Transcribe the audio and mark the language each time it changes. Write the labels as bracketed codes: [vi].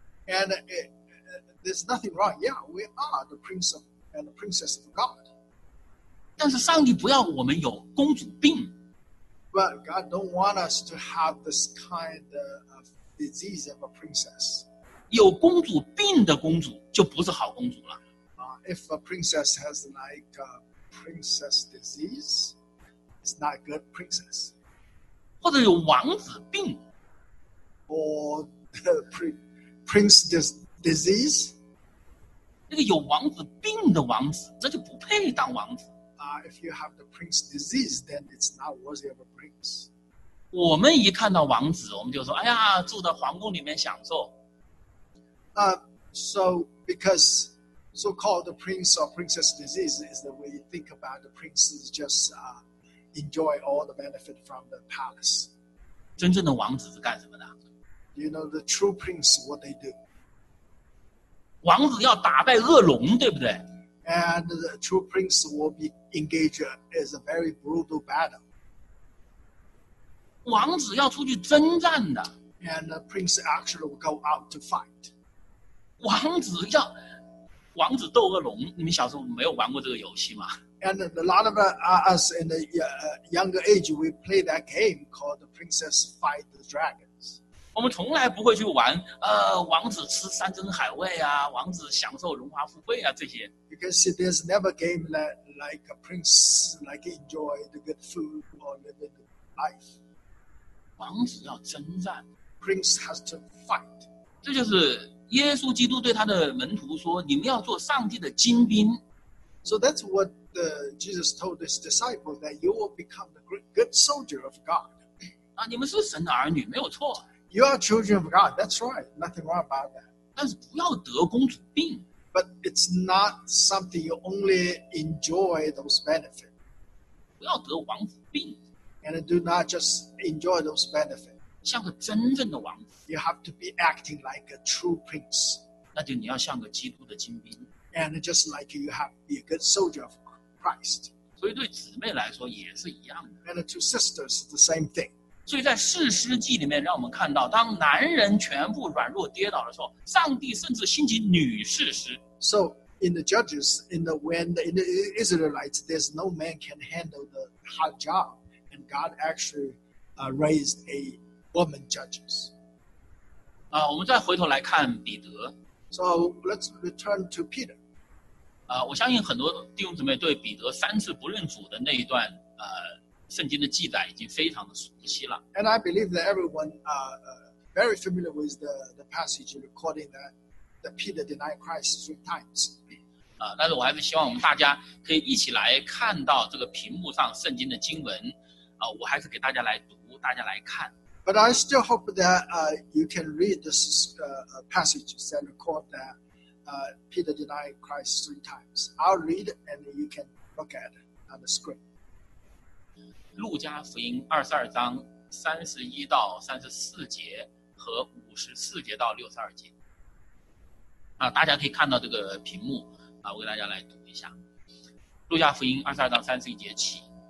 [en] And there's nothing wrong. Yeah, we are the prince of, and the princess of God. [zh] 但是上帝不要我们有公主病。 [en] But God don't want us to have this kind of disease of a princess. [zh] 有公主病的公主就不是好公主了。 [en] If a princess has like a princess disease, it's not a good princess. [zh] 或者有王子病。 [en] Or the prince disease. [zh] 那个有王子病的王子，这就不配当王子。 [en] If you have the prince disease, then it's not worthy of a prince. [zh] 我们一看到王子，我们就说：“哎呀，住在皇宫里面享受。” [en] So because so-called the prince or princess disease is the way you think about the princes just enjoy all the benefit from the palace. [zh] 真正的王子是干什么的 [en] ？You know the true prince what they do. [zh] 王子要打败恶龙，对不对？ [en] And the true prince will be engaged in a very brutal battle. [zh] 王子要出去征战的。 [en] And the prince actually will go out to fight. [zh] 王子斗恶龙，你们小时候没有玩过这个游戏吗 [en] ？And a lot of us in the younger age, we play that game called the Princess Fight the Dragons. [zh] 我们从来不会去玩，王子吃山珍海味啊，王子享受荣华富贵啊这些。 [en] Because there's never a game that like a prince like enjoy the good food or live the life. [zh] 王子要征战 [en] ，Prince has to fight. [zh] 这就是耶稣基督对他的门徒说：“你们要做上帝的精兵。” [en] So that's what the Jesus told his disciples that you will become the good soldier of God. [zh] 啊，你们是神的儿女，没有错。 [en] You are children of God. That's right. Nothing wrong about that. [zh] 但是不要得公主病。 [en] But it's not something you only enjoy those benefits. [zh] 不要得王子病。 [en] And do not just enjoy those benefits. [zh] 像个真正的王子。 [en] You have to be acting like a true prince. [zh] 那就你要像个基督的精兵。 [en] And just like you have to be a good soldier of Christ. [zh] 所以对姊妹来说也是一样的。 [en] And to sisters, the same thing. [zh] 所以在士师记里面让我们看到当男人全部软弱跌倒的时候上帝甚至兴起女士师。 [en] So, in the judges, in the Israelites, there's no man can handle the hard job. And God actually raised a woman judges. [zh] 我们再回头来看彼得。 [en] So, let's return to Peter. [zh] 我相信很多弟兄姊妹对彼得三次不认主的那一段圣经的记载已经非常的熟悉了。 [en] And I believe that everyone very familiar with the passage recording that Peter denied Christ three times. [zh] 但是我还是希望我们大家可以一起来看到这个屏幕上圣经的经文。我还是给大家来读，大家来看。 [en] But I still hope that you can read this passage that record that Peter denied Christ three times. I'll read and you can look at it on the screen. [zh] 路加福音二十二章三十一到三十四节和五十四节到六十二节。大家可以看到这个屏幕我给大家来读一下。路加福音二十二章三十一节起。